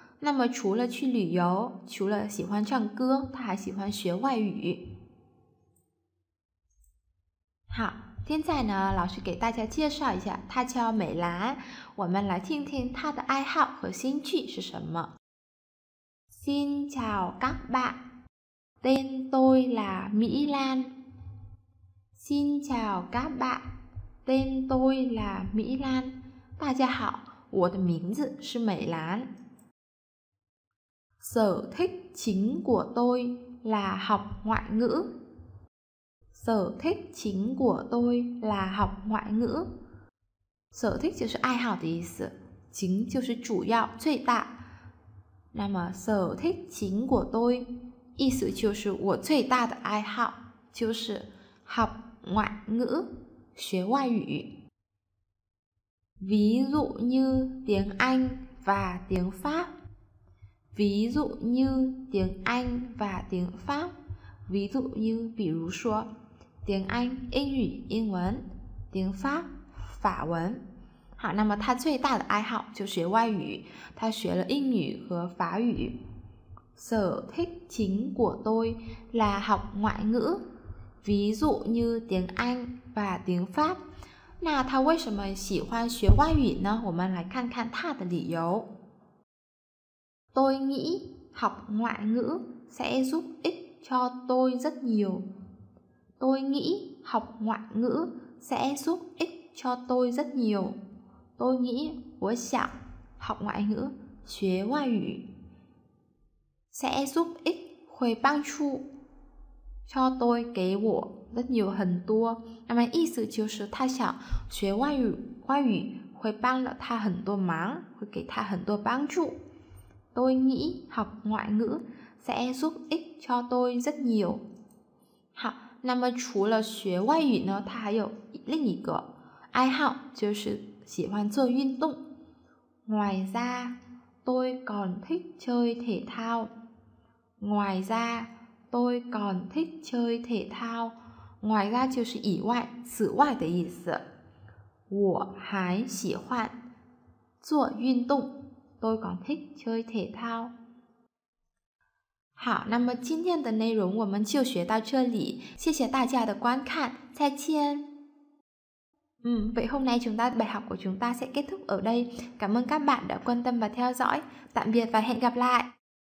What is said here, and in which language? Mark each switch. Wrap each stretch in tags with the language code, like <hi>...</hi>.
<zh>那么除了去旅游，除了喜欢唱歌，他还喜欢学外语。好，现在呢，老师给大家介绍一下，他叫美兰，我们来听听他的爱好和兴趣是什么。</zh> <vi>Xin chào các bạn, tên tôi là Mỹ Lan. Xin chào các bạn, tên tôi là Mỹ Lan.</vi> <zh>大家好，我的名字是美兰。</zh> <vi>Sở thích chính của tôi là học ngoại ngữ. Sở thích chính của tôi là học ngoại ngữ. Sở thích</vi> <zh>就是爱好的意思，chính 就是主要、最大。那么</zh> <vi>sở thích chính của tôi</vi> <zh>意思就是我最大的爱好就是</zh> <vi>học ngoại ngữ,</vi> <zh>学外语。</zh> <vi>Ví dụ như tiếng Anh và tiếng Pháp. ví dụ như tiếng Anh và tiếng Pháp. Ví dụ như,</vi> <zh>比如说</zh> <vi>tiếng Anh,</vi> <zh>英语, 英文,</zh> <vi>tiếng Pháp,</vi> <zh>法文. 好，那么他最大的爱好就学外语，他学了英语和法语。</zh> <vi>Sở thích chính của tôi là học ngoại ngữ. Ví dụ như tiếng Anh và tiếng Pháp.</vi> <zh>那他为什么喜欢学外语呢？我们来看看他的理由。</zh> <vi>Tôi nghĩ học ngoại ngữ sẽ giúp ích cho tôi rất nhiều. Tôi nghĩ học ngoại ngữ sẽ giúp ích cho tôi rất nhiều. Tôi nghĩ,</vi> <zh>我想,</zh> <vi>học ngoại ngữ,</vi> <zh>学外语,</zh> <vi>sẽ giúp ích,</vi> <zh>会帮助,</zh> <vi>cho tôi,</vi> <zh>给我,</zh> <vi>rất nhiều,</vi> <zh>很多. 那么意思就是他想学外语, 外语会帮了他很多忙, 会给他很多帮助。</zh> <vi>Tôi nghĩ học ngoại ngữ sẽ giúp ích cho tôi rất nhiều.</vi> <zh>好，那么除了学外语呢，他还有另一个爱好，就是喜欢做运动。</zh> <vi>Ngoài ra, tôi còn thích chơi thể thao. Ngoài ra, tôi còn thích chơi thể thao. Ngoài ra</vi> <zh>就是以外，此外的意思。我还喜欢做运动。</zh> <vi>Tôi còn thích chơi thể thao.</vi> <zh>好，那么今天的内容我们就学到这里，谢谢大家的观看，再见。</zh> <vi>Vậy hôm nay chúng ta bài học của chúng ta sẽ kết thúc ở đây. Cảm ơn các bạn đã quan tâm và theo dõi. Tạm biệt và hẹn gặp lại.</vi>